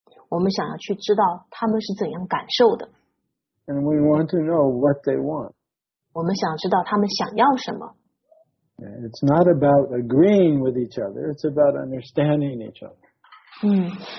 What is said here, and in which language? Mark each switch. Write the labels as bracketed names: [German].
[Chinese] 我们想要去知道他们是怎样感受的。 [English] And we want to know what they want. [Chinese] 我们想知道他们想要什么。 [English] It's not about agreeing with each other, it's about understanding each other.